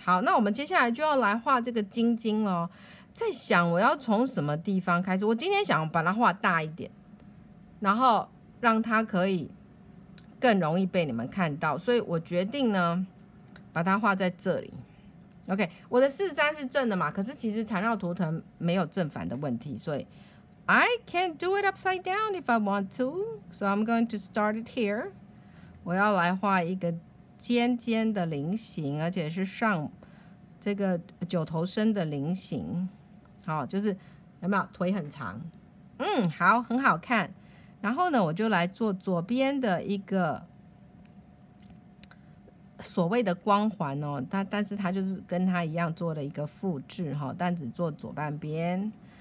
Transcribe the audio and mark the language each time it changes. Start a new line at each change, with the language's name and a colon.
Chinese: 好，那我们接下来就要来画这个晶晶了。在想我要从什么地方开始，我今天想把它画大一点，然后让它可以更容易被你们看到，所以我决定呢把它画在这里。 OK， 我的43是正的嘛，可是其实缠绕图腾没有正反的问题，所以
English: I can do it upside down if I want to， so I'm going to start it here。
Chinese: 我要来画一个尖尖的菱形，而且是上这个九头身的菱形，好，就是有没有腿很长，嗯，好，很好看。然后呢，我就来做左边的一个所谓的光环哦，但是它就是跟它一样做了一个复制哈，但只做左半边。